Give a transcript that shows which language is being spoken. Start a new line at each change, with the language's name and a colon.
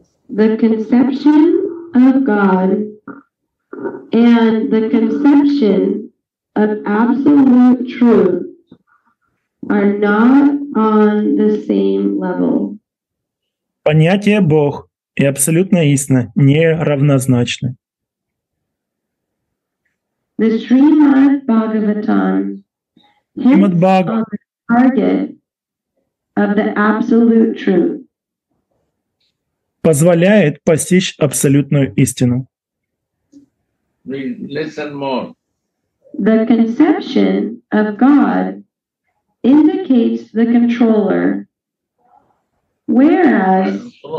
English: The conception of God and the conception of absolute truth are not on the same level.
Russian: Понятие Бог и абсолютная истина не равнозначны.
English: The Srimad Bhagavatam hits on the target of the absolute truth.
Russian: Позволяет постичь абсолютную истину.
English: Listen more. The conception of God indicates the controller, whereas